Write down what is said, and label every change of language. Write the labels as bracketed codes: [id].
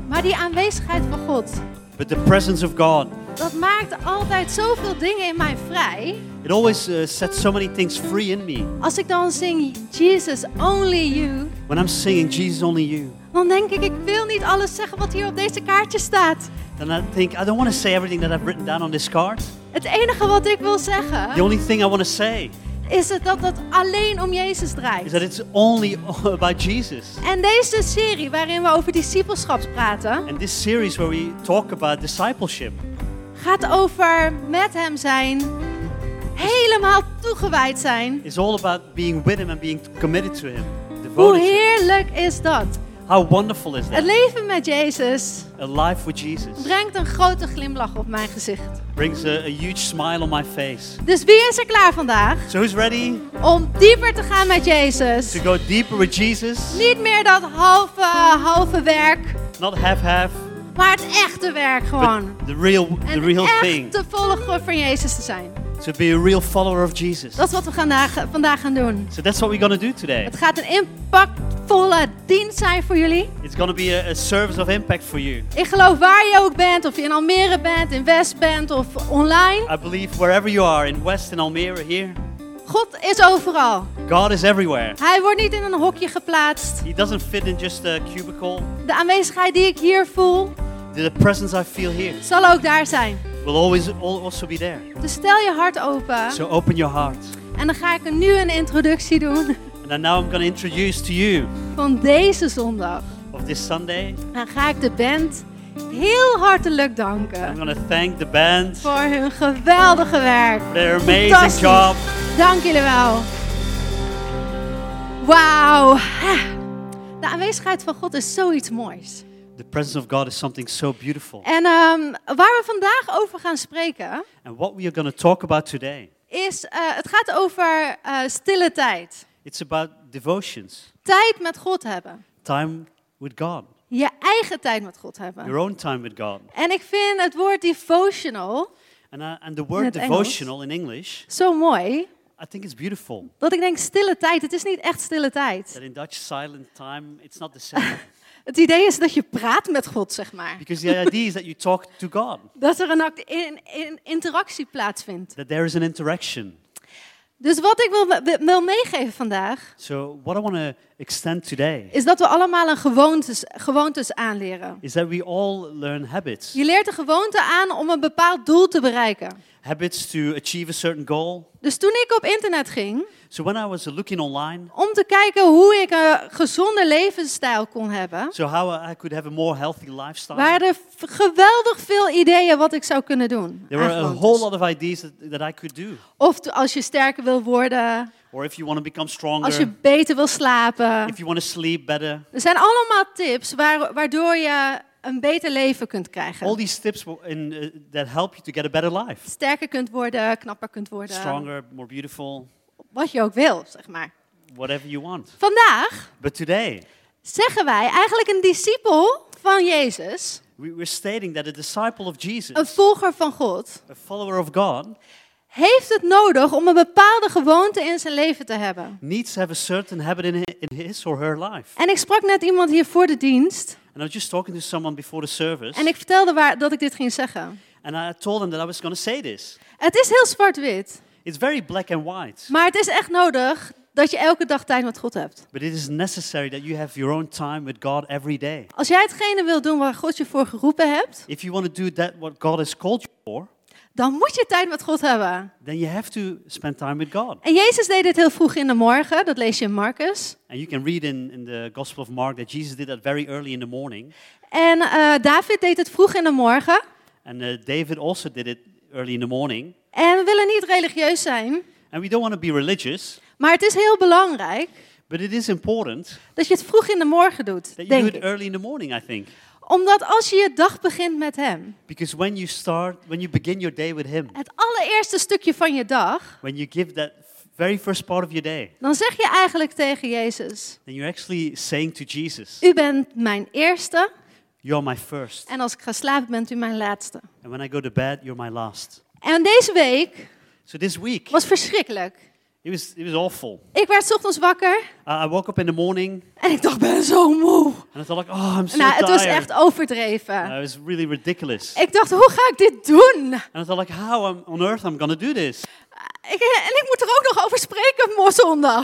[nl] Maar die aanwezigheid van God. [en] But the presence of God. [nl] Dat maakt altijd zoveel dingen in mij vrij. [en] It always sets so many things free in me. [nl] Als ik dan zing [en] Jesus only you. When I'm singing Jesus only you. [nl] Dan denk ik, ik wil niet alles zeggen wat hier op deze kaartje staat. [en] Then I think, I don't want to say everything that I've written down on this card. [nl] Het enige wat ik wil zeggen. [en] The only thing I want to say. [nl] Is het dat het alleen om Jezus draait. [en] Is that it's only about Jesus. [nl] En deze serie waarin we over discipelschap praten. [en] And this series where we talk about discipleship. [nl] Gaat over met hem zijn. Helemaal toegewijd zijn. [en] It's all about being with him and being committed to him. [nl] Hoe heerlijk is dat? [en] How wonderful is that? [nl] Het leven met Jezus. [en] A life with Jesus. [nl] Brengt een grote glimlach op mijn gezicht. [en] Brings a huge smile on my face. [nl] Dus wie is er klaar vandaag? [en] So who's ready? [nl] Om dieper te gaan met Jezus. [en] To go deeper with Jesus. [nl] Niet meer dat halve werk. [en] Not half-half. [nl] Maar het echte werk gewoon. [en] But the real thing. [nl] Een echte volger van Jezus te zijn. [en] To be a real follower of Jesus. [nl] Dat is wat we vandaag gaan doen. [en] So that's what we're gonna do today. [nl] Het gaat een impactvolle dienst zijn voor jullie. [en] It's gonna be a service of impact for you. [nl] Ik geloof waar je ook bent, of je in Almere bent, in West bent, of online. [en] I believe wherever you are, in West, in Almere, here. [nl] God is overal. [en] God is everywhere. [nl] Hij wordt niet in een hokje geplaatst. [en] He doesn't fit in just a cubicle. [nl] De aanwezigheid die ik hier voel. [en] The presence I feel here. [nl] Zal ook daar zijn. [en] Will always also be there. [nl] Dus stel je hart open. [en] So open your heart. [nl] En dan ga ik nu een introductie doen. [en] And then now I'm going to introduce to you. [nl] Van deze zondag. [en] Of this Sunday. [nl] Dan ga ik de band heel hartelijk danken. [en] I'm going to thank the band. [nl] Voor hun geweldige werk. [en] For their amazing job. [nl] Dank jullie wel. Wauw. De aanwezigheid van God is zoiets moois. [en] The presence of God is something so beautiful. [nl] En waar we vandaag over gaan spreken. [en] And what we are going to talk about today. [nl] Is het gaat over stille tijd. [en] It's about devotions. [nl] Tijd met God hebben. [en] Time with God. [nl] Je eigen tijd met God hebben. [en] Your own time with God. [nl] En ik vind het woord devotional. [en] And the word devotional in English. [nl] Zo mooi. [en] I think it's beautiful. [nl] Dat ik denk stille tijd. Het is niet echt stille tijd. [en] That in Dutch silent time, it's not the same. [nl] Het idee is dat je praat met God, zeg maar. [en] Because the idea is that you talk to God. [nl] Dat er een interactie plaatsvindt. [en] That there is an interaction. [nl] Dus wat ik wil meegeven vandaag. [en] So what I want to extend today. [nl] Is dat we allemaal een gewoontes aanleren. [en] Is that we all learn habits. [nl] Je leert een gewoonte aan om een bepaald doel te bereiken. [en] Habits to achieve a certain goal. [nl] Dus toen ik op internet ging. [en] So when I was looking online. [nl] Om te kijken hoe ik een gezonde levensstijl kon hebben. [en] So how I could have a more healthy lifestyle. [nl] Waren er geweldig veel ideeën wat ik zou kunnen doen. [en] There were a whole lot of ideas that I could do. [nl] Of als je sterker wil worden. [en] Or if you want to become stronger. [nl] Als je beter wil slapen. [en] If you want to sleep better. [nl] Er zijn allemaal tips waardoor je een beter leven kunt krijgen. [en] All these tips that help you to get a better life. [nl] Sterker kunt worden, knapper kunt worden. [en] Stronger, more beautiful. [nl] Wat je ook wil, zeg maar. [en] Whatever you want. [nl] Vandaag. [en] But today. [nl] Zeggen wij eigenlijk een discipel van Jezus. [en] We're stating that a disciple of Jesus. [nl] Een volger van God. [en] A follower of God. [nl] Heeft het nodig om een bepaalde gewoonte in zijn leven te hebben. [en] Needs to have a certain habit in his or her life. [nl] En ik sprak net iemand hier voor de dienst. [en] And I was just talking to someone before the service. [nl] En ik vertelde dat ik dit ging zeggen. [en] And I told them that I was going to say this. [nl] Het is heel zwart-wit. [en] It's very black and white. [nl] Maar het is echt nodig dat je elke dag tijd met God hebt. [en] But it is necessary that you have your own time with God every day. [nl] Als jij hetgene wil doen waar God je voor geroepen hebt. [en] If you want to do that what God has called you for. [nl] Dan moet je tijd met God hebben. [en] Then you have to spend time with God. [nl] En Jezus deed dit heel vroeg in de morgen. Dat lees je in Marcus. [en] And you can read in the Gospel of Mark that Jesus did that very early in the morning. [nl] En David deed het vroeg in de morgen. [en] And David also did it early in the morning. [nl] En we willen niet religieus zijn. [en] And we don't want to be religious. [nl] Maar het is heel belangrijk. [en] But it is important. [nl] Dat je het vroeg in de morgen doet. [en] That [nl] denk [en] you do it [nl] ik. [en] Early in the morning, I think. [nl] Omdat als je je dag begint met hem. [en] Because when you start, when you begin your day with him. [nl] Het allereerste stukje van je dag. [en] When you give that very first part of your day. [nl] Dan zeg je eigenlijk tegen Jezus. [en] Then you're actually saying to Jesus. [nl] U bent mijn eerste. [en] You're my first. [nl] En als ik ga slapen bent u mijn laatste. [en] And when I go to bed, you're my last. [nl] En deze week. [en] So this week. [nl] Was verschrikkelijk. [en] It was awful. [nl] Ik werd 's ochtends wakker. [en] I woke up in the morning. [nl] En ik dacht, ben zo moe. [en] And I thought like, oh, I'm so [nl] nou, [en] tired. [nl] Het was echt overdreven. [en] It was really ridiculous. [nl] Ik dacht, hoe ga ik dit doen? [en] And I thought like, how on earth am I gonna do this? [nl] En ik moet er ook nog over spreken zondag.